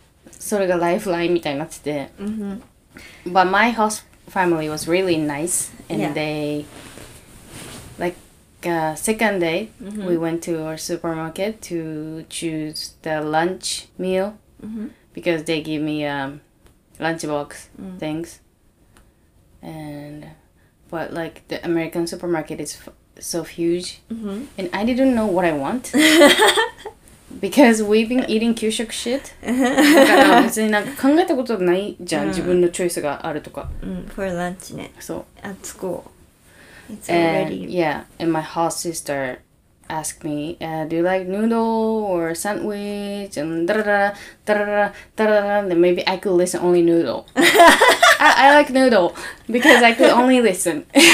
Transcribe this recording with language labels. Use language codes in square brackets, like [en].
[ja] それがライフラインみたいになってて、 mm-hmm. [en] but my host family was really nice and、yeah. they like. Second day,、 mm-hmm. we went to our supermarket to choose the lunch meal、 mm-hmm. because they give me a、lunchbox、 mm-hmm. things. And, but like the American supermarket is so huge,、 mm-hmm. and I didn't know what I want because we've been eating 給食 shit. [ja] だから別に考えたことないじゃん、自分のチョイスがあるとか。 [en] For lunch ね。 [ja] そう。 [en] At school. It's already... And, yeah, and my host sister asked me,、do you like noodle or sandwich? And then maybe I could listen only noodle. I like noodle because I could only listen.